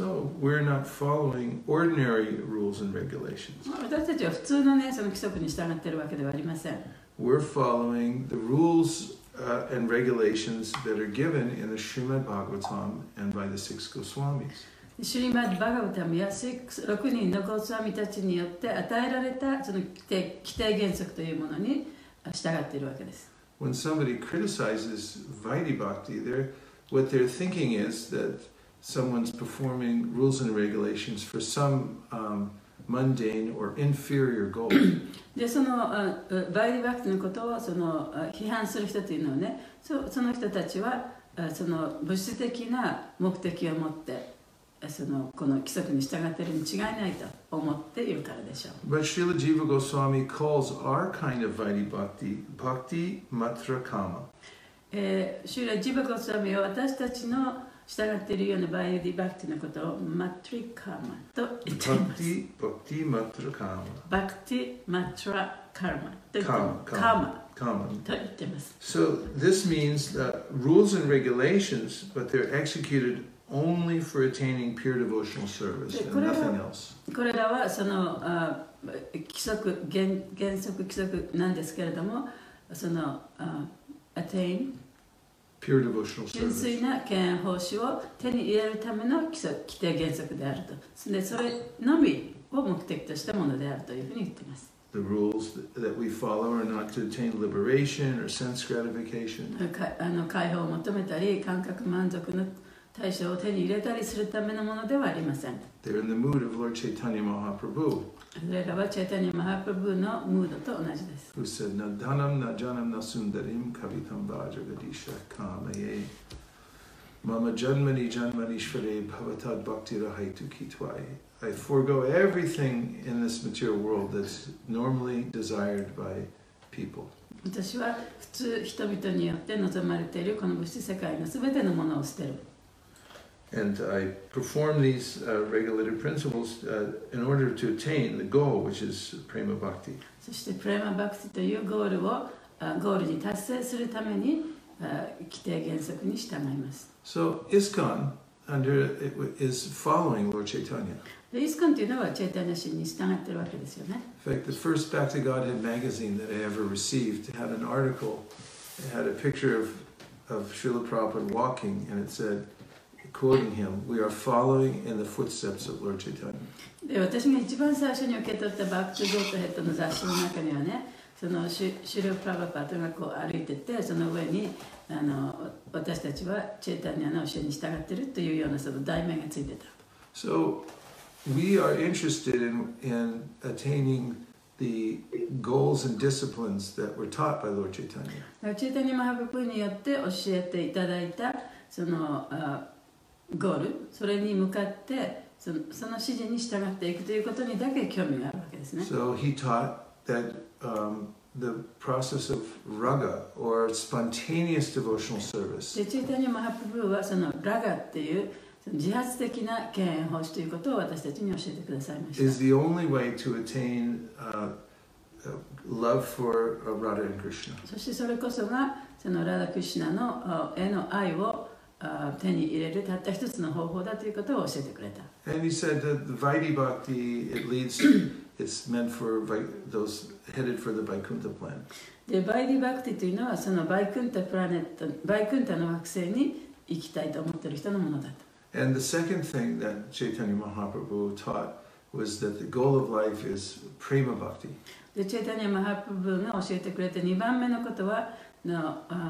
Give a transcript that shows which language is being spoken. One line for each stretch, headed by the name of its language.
English: So, we're not following ordinary rules and regulations.
Japanese: 私たちは普通の、ね、その規則に従っているわけではありません。
English: We're following the rules, and regulations that are given in the Srimad Bhagavatam and by the six Goswamis.
Japanese: Srimad Bhagavatam や六人のゴスワミたちによって与えられたその規定原則というものに従っているわけです。
English: When somebody criticizes Vaidhi Bhakti, what they're thinking is that someone's performing rules and regulations for some, mundane or inferior goal.
Japanese: で、その、バイディバクティのことをその、批判する人というのはね、その人たちは、その物質的な目的を持って、その、この規則に従っているに違いないと思っているからでしょう。
English: But Srila Jiva Goswami calls our kind of Vaidhi Bhakti, Bhakti Matra Kama.
Japanese: Srila Jiva Goswami は私たちの従っているようなバイディバクティのことをマトリカーマと言っています。バクティマトラカーマ。バクティマトラカーマと言っています。カーマと言っています。
English: So this means that rules and regulations, but they're executed only for attaining pure devotional service and nothing else.
Japanese: これらはその規則原則規則なんですけれども、その attain
English: Pure devotional service.
Japanese: 純粋な敬愛奉仕を手に入れるための規定原則であると。それのみを目的としたものであるというふうに言っています。
English: The rules that we follow are not to attain liberation or sense gratification.
Japanese: 解放を求めたり、感覚満足の対象を手に入れたりするためのものではありません。
English: They're in the mood of Lord Chaitanya Mahaprabhu.
Japanese: それらはチェタニマハプブのムードと同じです。
English: Who said,
Sanskrit: na dhanam na janam na sundarim kavitam vaja vadisha kamaye mama janmani janmani shvare bhavatad bhakti rahaitu kitvai.
English: I forego everything in this material world that's normally desired by people.
Japanese: 私は普通人々によって望まれているこの物質世界のすべてのものを捨てる。
English: And I perform these regulated principles in order to attain the goal, which is prema bhakti.
Japanese: そしてプレマバクティというゴールに達成するために規定原則に従います。
English: So ISKCON under it is following Lord Chaitanya.
Japanese: イスコンというのはチェタニア神に従っているわけですよね。
English: In fact, the first Back to Godhead magazine that I ever received had an article, it had a picture of Srila Prabhupada walking, and it said, quoting him, "We are following in the footsteps of Lord Chaitanya."
Japanese: で、私が一番最初に受け取ったバックトゥゴッドの雑誌の中にはね、そのシュラプラバパトがこう歩いてて、その上に私たちはチェタニアの教えに従っているというようなその題名がついてた。
English: So,We are interested in attaining the goals and disciplines that were taught by Lord Chaitanya.
Japanese: Chaitanya Mahaprabhu によって教えていただいたそのゴール、それに向かってその指示に従っていくということにだけ興味があるわけですね。
English: So he taught that the process of raga or spontaneous devotional service.
Japanese: Chaitanya Mahaprabhu はそのラガっていう自発的な敬遠奉仕ということを私たちに教えてくださいました。
English: Is the only way to attain love for Radha and Krishna.
Japanese: そしてそれこそがそのラダ・クリシュナのへの愛を手に入れるたった一つの方法だということを教えてくれた。
English: And he said that the Vaidhi Bhakti it leads it's meant for those headed for the Vaikuntha plan.
Japanese: で、バイディ・バクティというのはそのバイクンタプラネット、バイクンタの惑星に行きたいと思っている人のものだと。
English: And the second thing that Chaitanya Mahaprabhu taught was that the goal of life is prema bhakti.
Japanese: で、チェタニア・マハプブが教えてくれた2番目のことは、の、